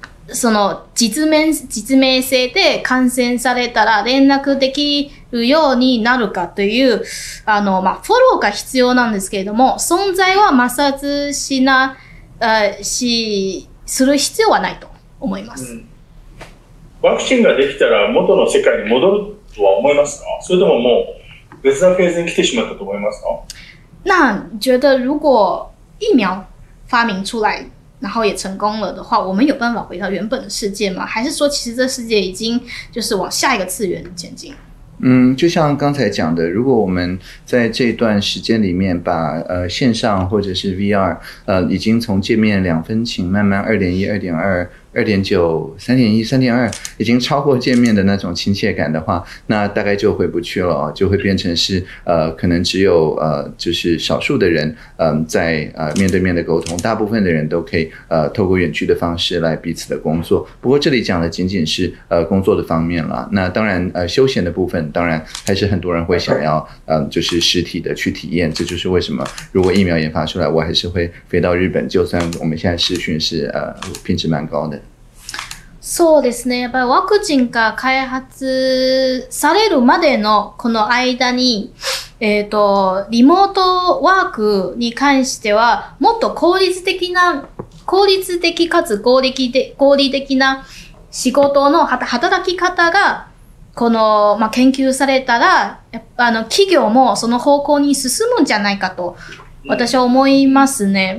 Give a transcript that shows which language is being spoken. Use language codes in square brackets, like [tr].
[ja] その、実名制で感染されたら連絡できるようになるかという、あの、まあ、フォローが必要なんですけれども、存在は摩擦しな、しする必要はないと思います。うん、ワクチンができたら元の世界に戻るとは思いますか？それとももう別のフェーズに来てしまったと思いますか？ [zh] 那觉得如果疫苗发明出来然后也成功了的话，我们有办法回到原本的世界吗？还是说其实这世界已经就是往下一个次元前进？就像刚才讲的，如果我们在这段时间里面把线上或者是 VR 已经从界面2分情慢慢 2.1 2.2 2.9 3.1 3.2 已经超过见面的那种亲切感的话，那大概就回不去了，就会变成是可能只有就是少数的人在面对面的沟通，大部分的人都可以透过远距的方式来彼此的工作。不过这里讲的仅仅是工作的方面了，那当然休闲的部分当然还是很多人会想要就是实体的去体验。这就是为什么如果疫苗研发出来，我还是会飞到日本，就算我们现在视讯是品质蛮高的。 [ja] そうですね、やっぱりワクチンが開発されるまでのこの間に、リモートワークに関してはもっと効率的かつ合理的な仕事の働き方がこの、まあ、研究されたら、企業もその方向に進むんじゃないかと私は思いますね。